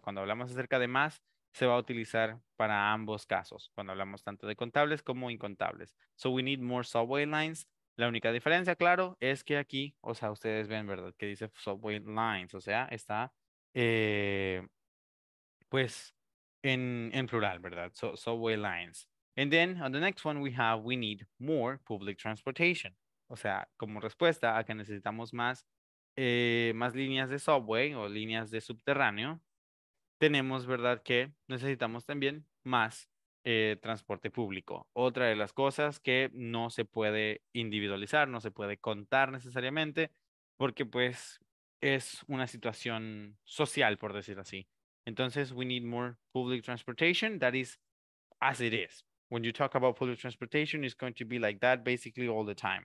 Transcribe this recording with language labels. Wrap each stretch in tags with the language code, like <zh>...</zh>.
<es>Cuando hablamos acerca de más, se va a utilizar para ambos casos, cuando hablamos tanto de contables como incontables.</es> <en>So we need more subway lines.</en> <es>La única diferencia, claro, es que aquí, o sea, ustedes ven, ¿verdad?, que dice subway lines, o sea, está pues en plural, ¿verdad?</es> <en>So subway lines. And then on the next one we need more public transportation.</en> <es>O sea, como respuesta a que necesitamos más líneas de subway o líneas de subterráneo, tenemos, ¿verdad?, que necesitamos también más transporte público. Otra de las cosas que no se puede individualizar, no se puede contar necesariamente, porque pues es una situación social, por decir así. Entonces,</es> <en>we need more public transportation. That is as it is. When you talk about public transportation, it's going to be like that basically all the time.</en>